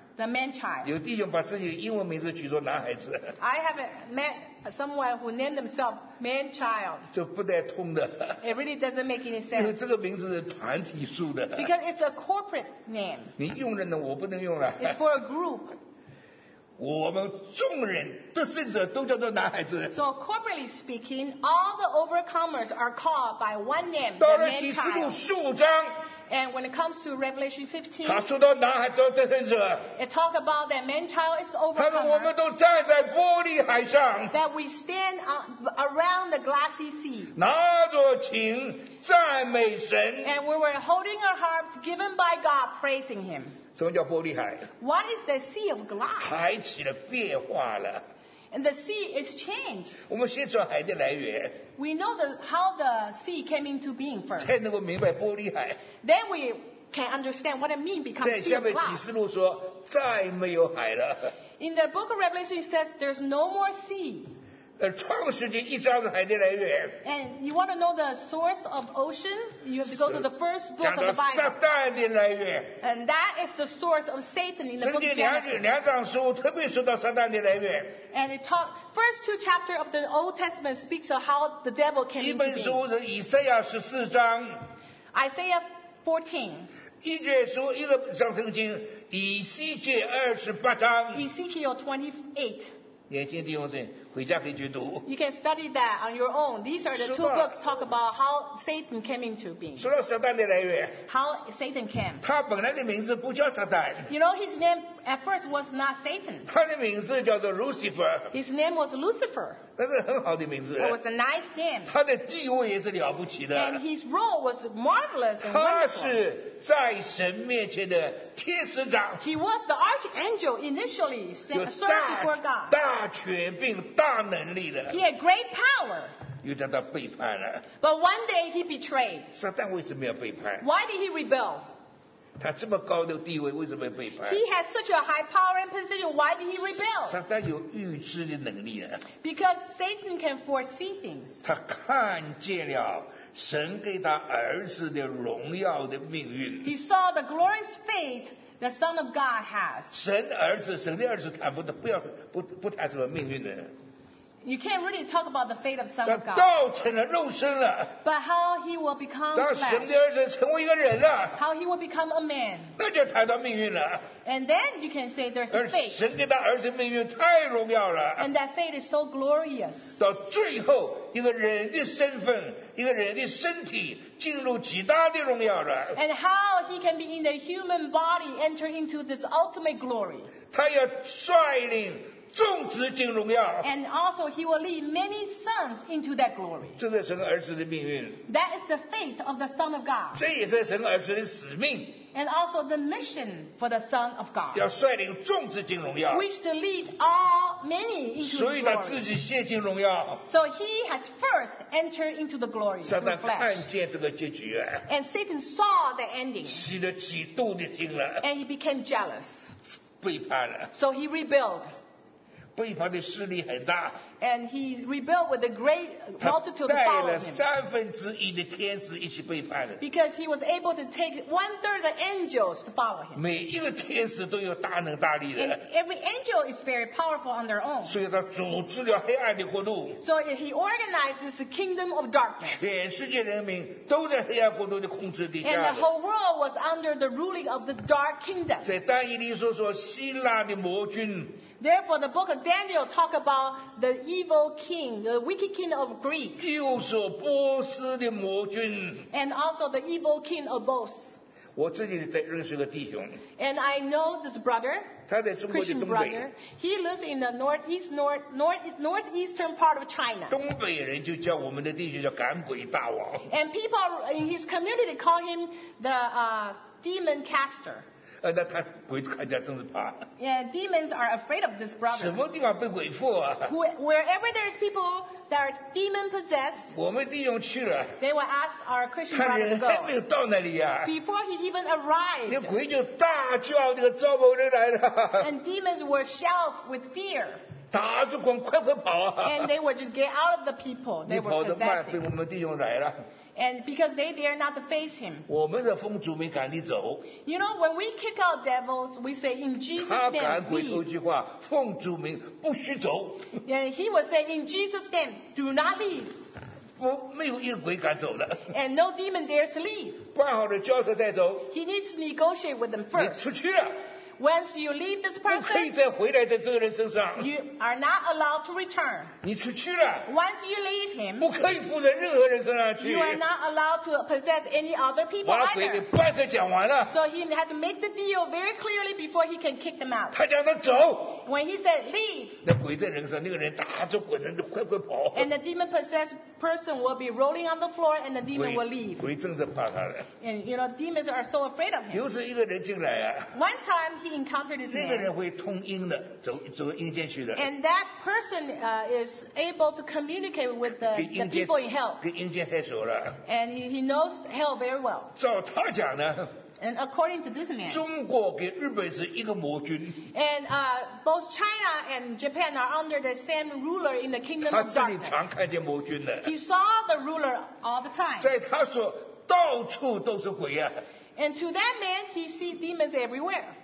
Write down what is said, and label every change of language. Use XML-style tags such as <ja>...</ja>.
<en>The man child.</en> <zh>有弟兄把自己的英文名字取作男孩子。</zh> <en>I have met someone who named themselves man child.</en> <zh>这不太通的。</zh> <en>It really doesn't make any sense.</en> <zh>因为这个名字是团体数的。</zh> <en>Because it's a corporate name.</en> <zh>你用了呢，我不能用了。</zh> <en>It's for a group.</en> <zh>我们众人得胜者都叫做男孩子。</zh> <en>So corporately speaking, all the overcomers are called by one name.</en> <zh>到了启示录十五章。</zh> <en>And when it comes to Revelation 15,</en> <zh>他说到男孩子得胜者。</zh> <en>It talks about that man child is the overcomer.</en> <zh>他说我们都站在玻璃海上。</zh> <en>That we stand around the glassy sea.</en> <zh>拿着琴赞美神。</zh> <en>And we were holding our harps given by God praising him.</en> <zh>什么叫玻璃海?</zh> <en>What is the sea of glass?</en> <zh>海起了变化了。</zh> <en>And the sea is changed.</en> <zh>我们先说海的来源。</zh> <en>We know how the sea came into being first.</en> <zh>才能够明白玻璃海。</zh> <en>Then we can understand what it means become sea glass.</en> <zh>在下面启示录说再没有海了。</zh> <en>In the book of Revelation, it says there's no more sea.</en> <zh>创世纪一章是海的来源。</zh> <en>And you want to know the source of ocean? You have to go to the first book of the Bible.</en> <zh>讲到撒旦的来源。</zh> <en>And that is the source of Satan in the book of Genesis.</en> <zh>圣经两章书特别说到撒旦的来源。</zh> <en>And it talks, first two chapters of the Old Testament speaks of how the devil came into being.</en> <zh>一本书是以赛亚十四章。</zh> <en>Isaiah 14.</en> <zh>一卷书一个章圣经以西结二十八章。</zh> <en>Ezekiel 28.</en> <zh>年轻弟兄们，回家可以去读。</zh> <en>You can study that on your own. These are the two books talk about how Satan came into being.</en> <zh>说到撒旦的来源。</zh> <en>How Satan came.</en> <zh>他本来的名字不叫撒旦。</zh> <en>You know his name at first was not Satan.</en> <zh>他的名字叫做 Lucifer.</zh> <en>His name was Lucifer.</en> <zh>那是很好的名字。</zh> <en>It was a nice name.</en> <zh>他的地位也是了不起的。</zh> <en>And his role was marvelous.</en> <zh>他是在神面前的天使长。</zh> <en>He was the archangel initially serving before God.</en> <zh>大权并大能力的。</zh> <en>He had great power.</en> <zh>又叫他背叛了。</zh> <en>But one day he betrayed.</en> <zh>撒旦为什么要背叛?</zh> <en>Why did he rebel?</en> <zh>他这么高的地位为什么要背叛?</zh> <en>He had such a high power and position. Why did he rebel?</en> <zh>撒旦有预知的能力啊。</zh> <en>Because Satan can foresee things.</en> <zh>他看见了神给他儿子的荣耀的命运。</zh> <en>He saw the glorious fate. The Son of God has.</en> <zh>神的儿子，神的儿子，坦不的不要不不谈什么命运的。</zh> <en>You can't really talk about the fate of Son of God.</en> <zh>道成了肉身了。</zh> <en>But how he will become flesh.</en> <zh>当神的儿子成为一个人了。</zh> <en>How he will become a man.</en> <zh>那就谈到命运了。</zh> <en>And then you can say there's fate.</en> <zh>而神给他儿子命运太荣耀了。</zh> <en>And that fate is so glorious.</en> <zh>到最后，一个人的身份，一个人的身体，进入极大的荣耀了。</zh> <en>And how he can be in the human body, enter into this ultimate glory.</en> <zh>他要率领。众子进荣耀</zh> <en>and also he will lead many sons into that glory.</en> <zh>这是神儿子的命运</zh> <en>That is the fate of the Son of God.</en> <zh>这也是神儿子的使命</zh> <en>And also the mission for the Son of God.</en> <zh>要率领众子进荣耀</zh> <en>Which to lead all many into glory.</en> <zh>所以他自己先进荣耀</zh> <en>So he has first entered into the glory.</en> <zh>撒旦看见这个结局</zh> <en>And Satan saw the ending.</en> <zh>起了嫉妒的心了</zh> <en>And he became jealous.</en> <zh>背叛了</zh> <en>So he rebelled.</en> <zh>背叛的势力很大</zh> <en>and he rebelled with a great multitude of followers.</en> <zh>他带了三分之一的天使一起背叛了</zh> <en>because he was able to take one third of angels to follow him.</en> <zh>每一个天使都有大能大力的</zh> <en>and every angel is very powerful on their own.</en> <zh>所以他组织了黑暗的国度</zh> <en>so he organizes the kingdom of darkness.</en> <zh>全世界人民都在黑暗国度的控制底下</zh> <en>and the whole world was under the ruling of this dark kingdom.</en> <zh>在但以理书说希腊的魔君</zh> <en>Therefore, the book of Daniel talks about the evil king, the wicked king of Greece.</en> <zh>又是波斯的魔君。</zh> <en>And also the evil king of Bos.</en> <zh>我自己在认识一个弟兄。</zh> <en>And I know this brother.</en> <zh>他在中国的东北。</zh> <en>Christian brother, he lives in the northeastern part of China.</en> <zh>东北人就叫我们的弟兄叫赶鬼大王。</zh> <en>And people in his community call him the demon caster.</en> <zh>那他鬼看见真是怕。</zh> <en>Yeah, demons are afraid of this brother.</en> <zh>什么地方被鬼附啊</zh> <en>？Wherever there is people that are demon possessed.</en> <zh>我们弟兄去了。</zh> <en>They will ask our Christian brother to go.</en> <zh>看人还没有到那里呀、啊。</zh> <en>Before he even arrived.</en> <zh>那鬼就大叫，那个招魔人来了。</zh> <en>And demons were shout with fear.</en> <zh>打着光快快跑啊</zh> <en>！And they would just get out of the people. They</en> <zh>你跑得快，被我们弟兄来了。</zh> <en>And because they dare not to face him.</en> <zh>我们的风主没赶你走。</zh> <en>You know, when we kick out devils, we say in Jesus' name.</en> <zh>他赶鬼头句话，奉主名不许走。</zh> <en>And he was saying in Jesus' name, do not leave.</en> <zh>不，没有一个鬼敢走的。</zh> <en>And no demon dares to leave.</en> <zh>办好了交涉再走。</zh> <en>He needs to negotiate with them first.</en> <zh>你出去了。</zh> <en>Once you leave this person,</en> <zh>不可以再回来在这个人身上。</zh> <en>You are not allowed to return.</en> <zh>你出去了。</zh> <en>Once you leave him,</en> <zh>不可以附在任何人身上去。</zh> <en>You are not allowed to possess any other people either.</en> <zh>把鬼给办事讲完了。</zh> <en>So he had to make the deal very clearly before he can kick them out.</en> <zh>他讲他走。</zh> <en>When he said leave,</en> <zh>那鬼在人上，那个人打着滚，那就快快跑。</zh> <en>And the demon possessed person will be rolling on the floor, and the demon will leave.</en> <zh>鬼真正怕他了。</zh> <en>And you know demons are so afraid of him.</en> <zh>又是一个人进来啊。</zh> <en>One time he. Encountered his name.</en> <zh>那个人会通音的，走阴间去的。</zh> <en>And that person is able to communicate with the people in hell.</en> <zh>跟阴间太熟了。</zh> <en>And he knows hell very well.</en> <zh>照他讲呢。</zh> <en>And according to this man.</en> <zh>中国跟日本是一个魔君。</zh> <en>And both China and Japan are under the same ruler in the kingdom of darkness.</en> <zh>他这里常看见魔君的。</zh> <en>He saw the ruler all the time.</en> <zh>在他说到处都是鬼啊。</zh> <en>And to that man, he sees demons everywhere.</en>